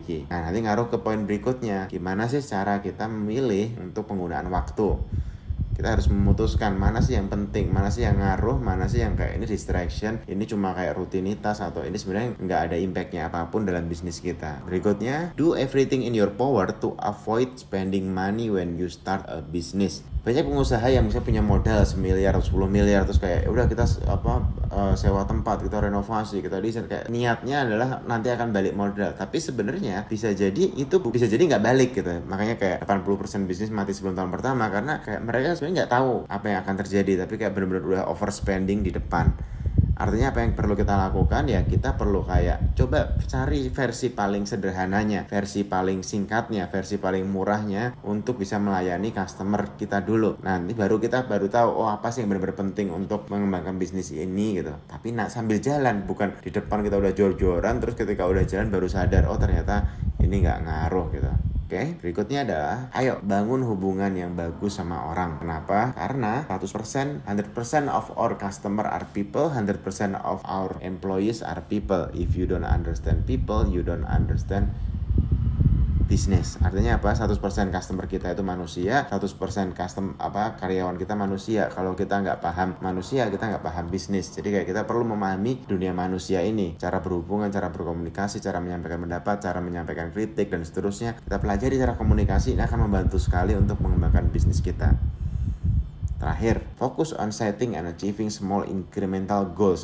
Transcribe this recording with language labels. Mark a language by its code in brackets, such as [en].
[id] Nah nanti ngaruh ke poin berikutnya, gimana sih cara kita memilih untuk penggunaan waktu. Kita harus memutuskan mana sih yang penting, mana sih yang ngaruh, mana sih yang kayak ini distraction, ini cuma kayak rutinitas, atau ini sebenarnya nggak ada impact-nya apapun dalam bisnis kita. [en] Berikutnya, do everything in your power to avoid spending money when you start a business. [id] Banyak pengusaha yang misalnya punya modal 1 miliar, 10 miliar, terus kayak udah kita sewa tempat, kita renovasi, kita desain, kayak niatnya adalah nanti akan balik modal. Tapi sebenarnya bisa jadi itu bisa jadi nggak balik gitu. Makanya kayak 80% bisnis mati sebelum tahun pertama, karena kayak mereka sebenarnya nggak tahu apa yang akan terjadi, tapi kayak benar-benar udah overspending di depan. Artinya apa yang perlu kita lakukan, ya kita perlu kayak coba cari versi paling sederhananya, versi paling singkatnya, versi paling murahnya untuk bisa melayani customer kita dulu. Nanti baru kita baru tahu, oh apa sih yang benar-benar penting untuk mengembangkan bisnis ini gitu. Tapi nak sambil jalan, bukan di depan kita udah jor-joran terus ketika udah jalan baru sadar, oh ternyata ini nggak ngaruh gitu. Oke, berikutnya adalah, ayo bangun hubungan yang bagus sama orang. Kenapa? Karena [en] 100% of our customer are people, 100% of our employees are people. If you don't understand people, you don't understand business. [id] Artinya apa? 100% customer kita itu manusia, 100% karyawan kita manusia. Kalau kita nggak paham manusia, kita nggak paham bisnis. Jadi kayak kita perlu memahami dunia manusia ini, cara berhubungan, cara berkomunikasi, cara menyampaikan pendapat, cara menyampaikan kritik, dan seterusnya. Kita pelajari cara komunikasi, ini akan membantu sekali untuk mengembangkan bisnis kita. Terakhir, [en] fokus on setting and achieving small incremental goals.